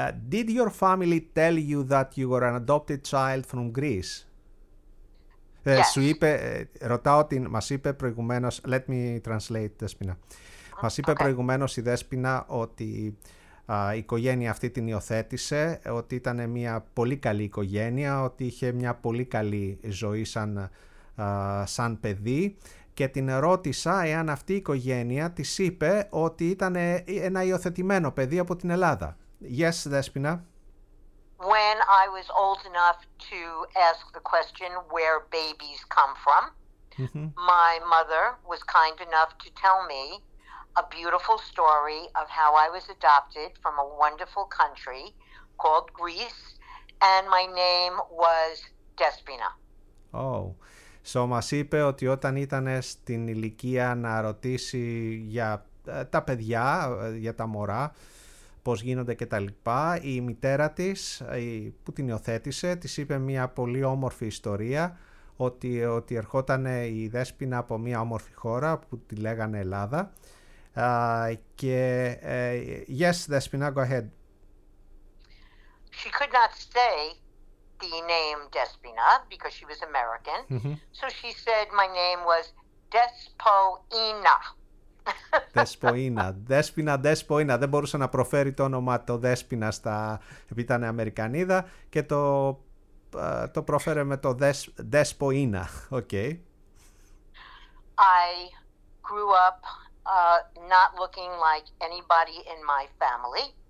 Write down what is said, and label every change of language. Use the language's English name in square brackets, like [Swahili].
[English] Did your family tell you that you were an adopted child from Greece? Yes. [Greek] Σου είπε, ρωτάω την, μας είπε προηγουμένως, [English] let me translate, [Greek] Δέσποινα. Μας είπε προηγουμένως η Δέσποινα ότι η οικογένεια αυτή την υιοθέτησε, ότι ήταν μια πολύ καλή οικογένεια, ότι είχε μια πολύ καλή ζωή σαν παιδί και την ρώτησα εάν αυτή η οικογένεια της είπε ότι ήταν ένα υιοθετημένο παιδί από την Ελλάδα. [English] Yes, Δέσποινα. When I was old enough to ask the question where babies come from, my mother was kind enough to tell me a beautiful story of how I was adopted from a wonderful country called Greece, and my name was Despina. Oh, so [Greek] μας είπε ότι όταν ήταν στην ηλικία να ρωτήσει για τα παιδιά, για τα μωρά, πώς γίνονται και τα λοιπά, η μητέρα της, που την υιοθέτησε, της είπε μια πολύ όμορφη ιστορία, ότι ερχόταν η Δέσποινα από μια όμορφη χώρα που τη λέγανε Ελλάδα. [English] Yes, Despina, go ahead. She could not say the name Despina because she was American. Mm-hmm. So she said my name was Despoina. [Greek] Δεσποίνα, Δέσποινα, Δέσποίνα. Δεν μπορούσε να προφέρει το όνομα το Δέσποινα στα. Επειδή ήταν Αμερικανίδα και το προφέρε με το Δέσποίνα. [English] Okay. I grew up not looking like anybody in my family.